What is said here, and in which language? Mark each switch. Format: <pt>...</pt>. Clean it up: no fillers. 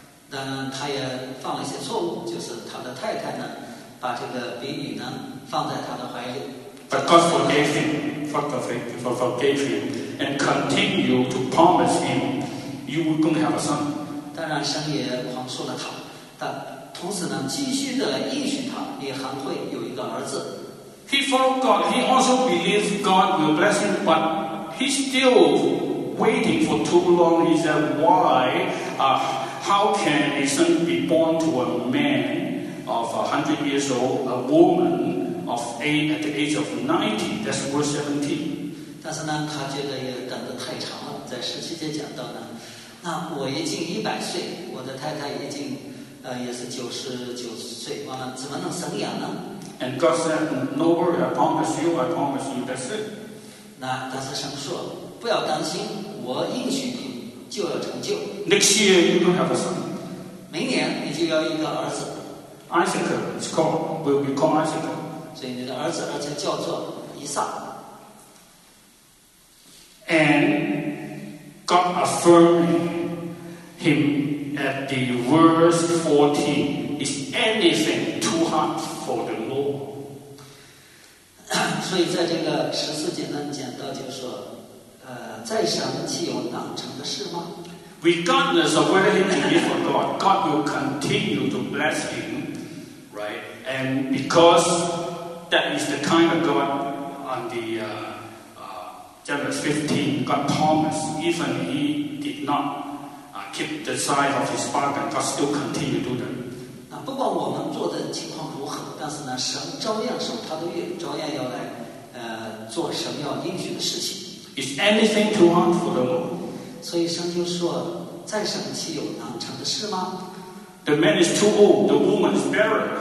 <zh>但他也犯了一些错误，就是他的太太呢，把这个婢女呢放在他的怀里。</zh> <en>But God forgave him, forgave him, and continued to promise him, "You will going to have a son."</en> <zh>当然，神也宽恕了他，但同时呢，继续的应许他，也还会有一个儿子。</zh> <en>He followed God. He also believes God will bless him, but he's still waiting for too long. He said, "Why?" How can a son be born to a man of 100 years old, a woman of eight at the age of 90? That's verse 17.</en> <zh>但是呢，他觉得也等得太长了。在十七节讲到呢，那我已经100岁，我的太太已经也是99岁，完了怎么能生养呢</zh> <en>？And God said, "No worry, I promise you, that's it."</en> <zh>那但是神说，不要担心，我应许你。就要成就。</zh> <en>Next year you will have a son.</en> <zh>明年你就要一个儿子。</zh> <en>Isaac is called, will be called Isaac.</en> <zh>所以你的儿子而且叫做以撒。</zh> <en>And God affirmed him at the verse 14. Is anything too hard for the Lord?</en> <zh>所以在这个14节呢，讲到就是说。在神岂有难成的事吗？</zh> <en>regardless of whether he believes or not, God will continue to bless him, right? And because that is the kind of God on the chapter 15, God promised, even he did not keep the side of his bargain, God still continued to do that.</en> <zh>不管我们做的情况如何，但是呢，神照样守他的约，照样要来，做神要应许的事情。</zh> <en>Is anything too hard for the Lord?</en> <zh>所以神就说，再神奇有难成的事吗</zh> <en>？The man is too old, the woman is barren.</en>